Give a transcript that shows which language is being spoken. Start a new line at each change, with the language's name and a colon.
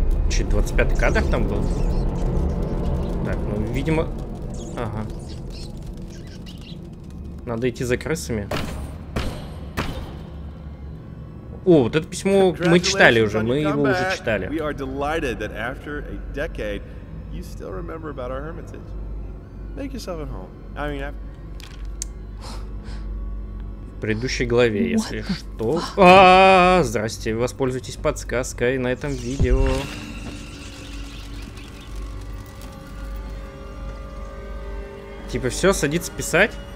Russian: Чуть 25-й кадр там был? Так, ну, видимо... Ага. Надо идти за крысами. О, вот это письмо мы читали уже. Мы его уже читали.
English: We are delighted that after a decade, you still remember about our hermitage. Make yourself at home. I mean, I've...
Russian: В предыдущей главе, если что... Здрасте, воспользуйтесь подсказкой на этом видео. Типа все, садится писать.